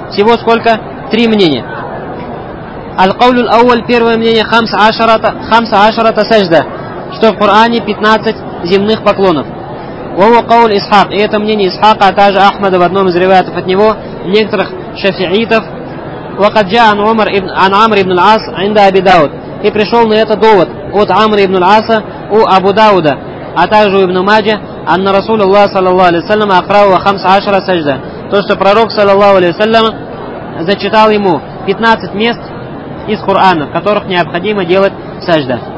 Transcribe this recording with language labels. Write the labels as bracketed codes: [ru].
[ru] Всего сколько? Три мнения. [ar] Аль-кавлю ал-ауаль. [ru] Первое мнение. [ar] Хамса ашарата сажда. [ru] Что в Кур'ане 15 земных поклонов. [ar] Вова кавль исхак. [ru] И это мнение Исхака, а также Ахмада в одном из ревиатов от него, некоторых шафиитов. [ar] وقد جاء عن عمر ابن عن عمرو ابن العاص عند ابي داود. [ru] И пришел на это довод от Амра ибн аль-Аса у Абу Дауда, а также у ибн Маджа, [ar] анна расулуллах саллаллаху алейхи ва саллям акрауа 15 сажда. [ru] То что пророк саллаллаху алейхи ва саллям зачитал ему 15 мест из Корана, в которых необходимо делать сажда.